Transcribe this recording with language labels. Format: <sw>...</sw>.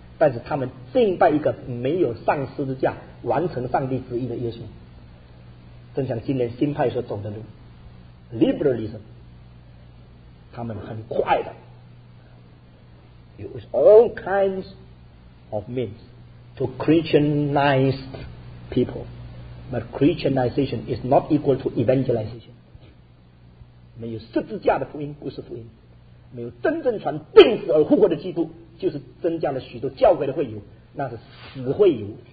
<zh>但是他们敬拜一个没有上十字架完成上帝旨意的耶稣，正像今年新派所走的路 liberalism， 他们很快的</zh> <en>use all kinds of meansTo Christianize people. But Christianization is not equal to evangelization.</en> <zh>没有十字架的福音不是福音，没有真正传定死而复活的基督，就是增加了许多教会的会友，那是死会友。</zh>